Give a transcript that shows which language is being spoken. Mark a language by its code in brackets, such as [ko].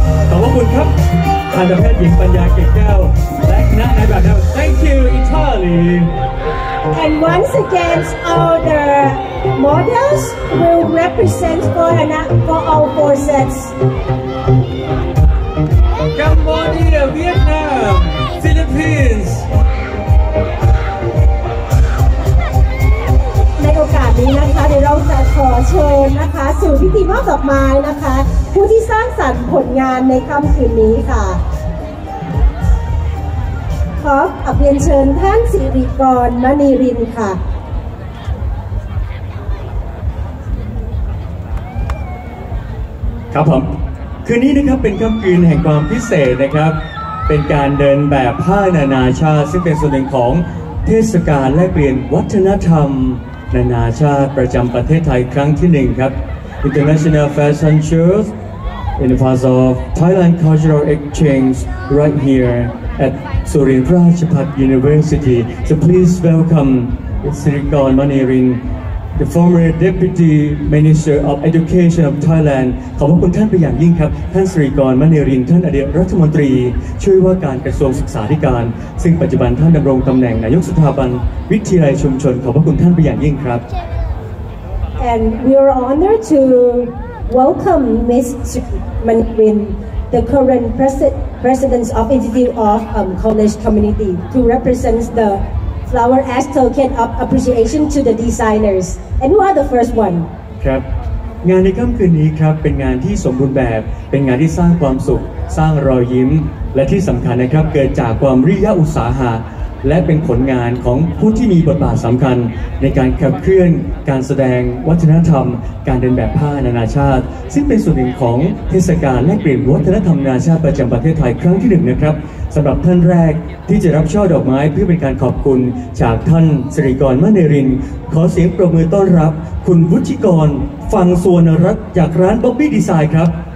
[th] ขอบคุณครับท่านแพทย์หญิงปัญญาเกียรติแก้วและนายแบบแนว [en] Thank you Italy And once again all the models will represent for all four sets Cambodia, Vietnam, Philippines [th] ในโอกาสนี้นะคะเดี๋ยวเราจะขอเชิญนะคะสู่พิธีมอบดอกไม้นะคะผู้ที่สร้างสรรค์ผลงานในค่ำคืนนี้ค่ะขอขับเรียนเชิญท่านสิริกรมณีรินค่ะ ครับผมคืนนี้นะครับเป็นค่ำคืนแห่งความพิเศษนะครับเป็นการเดินแบบผ้านานาชาติซึ่งเป็นส่วนหนึ่งของเทศกาลแลกเปลี่ยนวัฒนธรรมนานาชาติประจำประเทศไทยครั้งที่หนึ่งครับ [en] International Fashion Shows in the part of Thailand Cultural Exchange right here at Surin Prachapat University. So please welcome Sirikorn Manirin, the former Deputy Minister of Education of Thailand. [th] ขอบพระคุณท่านเป็นอย่างยิ่งครับท่านสิริกรมณีรินท่านอดีตรัฐมนตรีช่วยว่าการกระทรวงศึกษาธิการซึ่งปัจจุบันท่านดำรงตำแหน่งนายกสถาบันวิทยาลัยชุมชนขอบพระคุณท่านเป็นอย่างยิ่งครับ [en] And we are honored to welcome Ms. Manirin, the current president of Institute of College Community, to represent the flower as token of appreciation to the designers. And who are the first one? [th] ครับงานในค่ำคืนนี้ครับเป็นงานที่สมบูรณ์แบบเป็นงานที่สร้างความสุขสร้างรอยยิ้มและที่สำคัญนะครับเกิดจากความริยะอุตสาหะ และเป็นผลงานของผู้ที่มีบทบาทสำคัญในการขับเคลื่อนการแสดงวัฒนธรรมการเดินแบบผ้านานาชาติซึ่งเป็นส่วนหนึ่งของเทศกาลแลกเปลี่ยนวัฒนธรรมนานาชาติประจำประเทศไทยครั้งที่หนึ่งนะครับสำหรับท่านแรกที่จะรับช่อดอกไม้เพื่อเป็นการขอบคุณจากท่านสิริกรมณีรินทร์ขอเสียงปรบมือต้อนรับคุณวุฒิกรฟังสวนรัตน์จากร้านบ๊อบบี้ดีไซน์ครับ